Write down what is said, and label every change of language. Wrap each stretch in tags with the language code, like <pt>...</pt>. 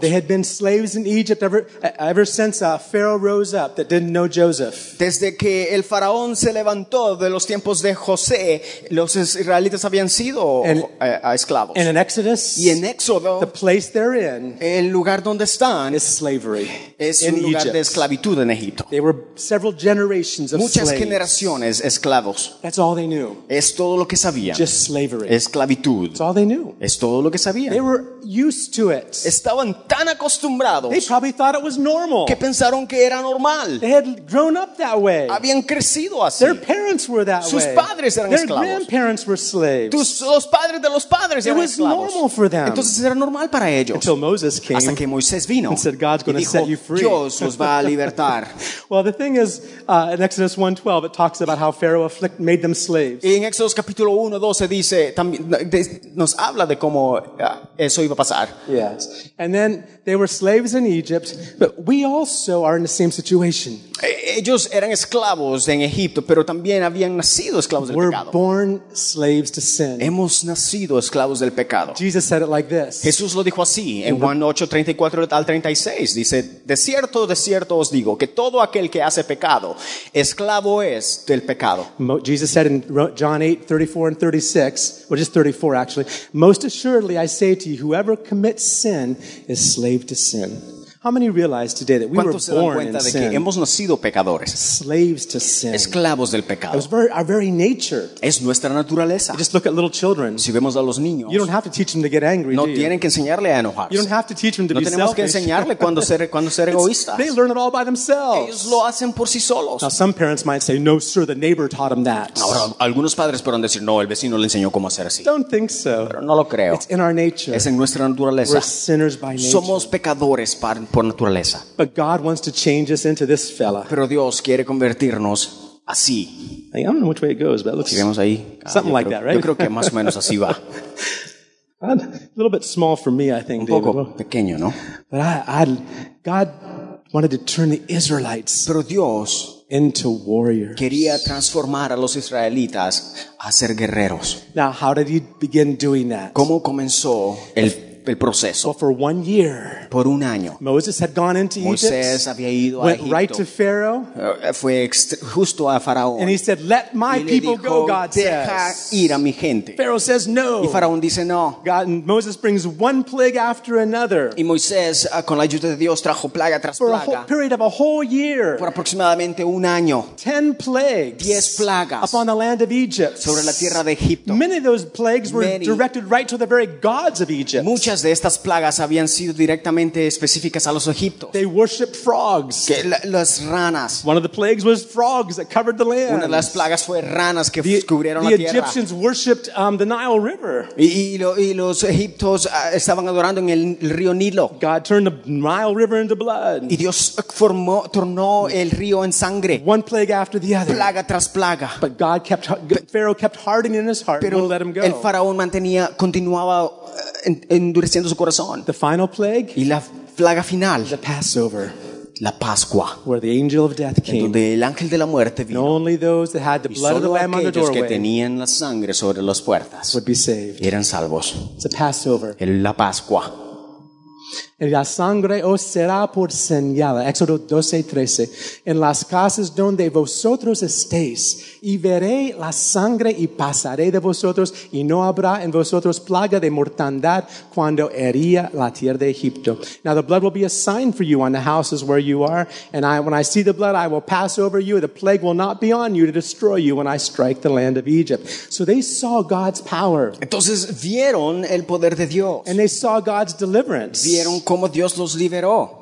<en>They had been slaves in Egypt ever since a Pharaoh rose up that didn't know Joseph.</en> <es>Desde que el faraón se levantó de los tiempos de José, los israelitas habían sido esclavos.</es> <en>And in Exodus,</en> <es>y en Éxodo,</es> <en>the place they're in,</en> <es>el lugar donde están,</es> <en>is slavery.</en> <es>Es un lugar de esclavitud en Egipto.</es> <en>They were several generations of</en> <es>muchas</es> <en>slaves.</en> <es>Generaciones esclavos.</es> <en>That's all they knew.</en> <es>Es todo lo que sabían.</es> <en>Just slavery.</en> <es>Esclavitud.</es> <en>That's all they knew.</en> <es>Es todo lo que sabían.</es> <en>They were used to it.</en> <es>Estaban tan acostumbrados.</es> <en>They probably thought it was normal.</en> <es>Que pensaron que era normal.</es> <en>They had grown up that way.</en> <es>Habían crecido así.</es> <en>Their parents were that</en> <es>sus</es> <en>way.</en> <es>Padres eran</es> <en>their</en> <es>esclavos.</es> <en>Grandparents were slaves.</en> <es>Los padres de los padres</es> <en>it</en> <es>eran</es> <en>was</en> <es>esclavos.</es> <en>Normal for them.</en> <es>Entonces era normal para ellos.</es> <en>Until Moses came.</en> <es>Hasta que Moisés vino.</es> <en>And said, God's going to set you free.</en> <es>Dios os va a libertar.</es> <en>Well, the thing is, in Exodus 1:12, it talks about how Pharaoh made them slaves.</en> <es>Y en Éxodo capítulo 1:12 dice también nos habla de cómo eso iba a pasar.</es> <en>Yes. And then they were slaves in Egypt, but we also are in the same situation.</en> <es>Ellos eran esclavos en Egipto, pero también habían nacido esclavos del</es> <en>we're</en> <es>pecado.</es> <en>We're born slaves to sin.</en> <es>Hemos nacido esclavos del pecado.</es> <en>Jesus said it like this.</en> <es>Jesús lo dijo así en Juan 8:34-36. Dice, de cierto os digo que todo aquel que hace pecado, esclavo es del pecado.</es> <en>Jesus said in John 8:34-36, which is 34 actually, most assuredly I say to you, whoever commits sin is slave to sin. How many realize today that we were born in sin?</en> <es>Hemos nacido pecadores.</es> <en>Slaves to sin.</en> <es>Esclavos del pecado.</es> <en>It was our very nature.</en> <es>Es nuestra naturaleza.</es> <en>Just look at little children.</en> <es>Si vemos a los niños.</es> <en>You don't have to teach them to get angry.</en> <es>No</es> <en>do you?</en> <es>Tienen que enseñarle a enojarse.</es> <en>You don't have to teach them to</en> <es>no</es> <en>be selfish.</en> <es>No tenemos que enseñarle cuando ser egoístas.</es> <en>They learn it all by themselves.</en> <es>Ellos lo hacen por sí solos.</es> <en>Now some parents might say, "No, sir, the neighbor taught him that."</en> <es>Ahora algunos padres podrán decir, "No, el vecino le enseñó cómo hacer así."</es> <en>Don't think so.</en> <es>Pero no lo creo.</es> <en>It's in our nature.</en> <es>Es en nuestra naturaleza.</es> <en>We're sinners by nature.</en> <es>Somos pecadores por por naturaleza.</es> <en>But God wants to change us into this fella.</en> <es>Pero Dios quiere convertirnos así.</es> <en>I don't know which way it goes, but it looks something like that, right?</en> <es>Yo creo que más o menos así va.</es> <en>A little bit small for me, I think.</en> <es>Un poco David. Pequeño, ¿no?</es> <en>But God wanted to turn the Israelites.</en> <es>Pero Dios</es> <en>into warriors.</en> <es>Quería transformar a los israelitas a ser guerreros.</es> <en>Now, how did he begin doing that?</en> <es>¿Cómo comenzó el proceso?</es> <en>Well, for 1 year,</en> <es>por un año,</es> <en>Moses had gone into</en> <es>Moisés</es> <en>Egypt,</en> <es>había ido</es> <en>went</en> <es>a Egipto,</es> <en>right to Pharaoh,</en> <es>fue justo a Faraón,</es> <en>and he said, "Let my people</en> <es>dijo,</es> <en>go." God</en> <es>deja</es> <en>says,</en> <es>ir a mi gente.</es> <en>Pharaoh says, "No."</en> <es>Y Faraón dice, "No."</es> <en>God, and Moses brings one plague after another.</en> <es>Y Moisés, con la ayuda de Dios, trajo plaga tras</es> <en>for</en> <es>plaga,</es> <en>a whole period of a whole year,</en> <es>por aproximadamente un año,</es> <en>10 plagues,</en> <es>10 plagas,</es> <en>upon the land of Egypt,</en> <es>sobre la tierra de Egipto.</es> <en>Many of those plagues were directed right to the very gods of Egypt.</en> <es>Muchas de estas plagas habían sido directamente específicas a los egipcios.</es> <en>They worshiped frogs.</en> <es>Que las ranas.</es> <en>One of the plagues was frogs that covered the land.</en> <es>Una de las plagas fue ranas que cubrieron</es> <en>the</en> <es>la tierra.</es> <en>The Egyptians worshiped the Nile River.</en> <es>Y los egipcios estaban adorando en el río Nilo.</es> <en>God turned the Nile River into blood.</en> <es>Y Dios tornó el río en sangre.</es> <en>One plague after the other.</en> <es>Plaga tras plaga.</es> <en>But God kept Pharaoh kept hardening in his heart.</en> <es>Pero</es> <en>and let him go.</en> <es>El faraón continuaba endureciendo su corazón.</es> <en>The final plague,</en> <es>y la plaga final,</es> <en>the Passover,</en> <es>la Pascua,</es> <en>where the angel of death came,</en> <es>donde el ángel de la muerte vino,</es> <en>and only those that had the blood of the lamb on the doorway,</en> <es>que tenían la sangre sobre las puertas,</es> <en>would be saved.</en> <es>Eran salvos.</es> <en>It's a Passover.</en> <es>La Pascua. En la sangre os será por señal. Éxodo 12:13. En las casas donde vosotros estéis, y veré la sangre y pasaré de vosotros, y no habrá en vosotros plaga de mortandad cuando hería la tierra de Egipto.</es> <en>Now the blood will be a sign for you on the houses where you are, and when I see the blood, I will pass over you. The plague will not be on you to destroy you when I strike the land of Egypt. So they saw God's power.</en> <es>Entonces vieron el poder de Dios.</es> <en>And they saw God's deliverance.</en> <es>Vieron cómo Dios los liberó.</es>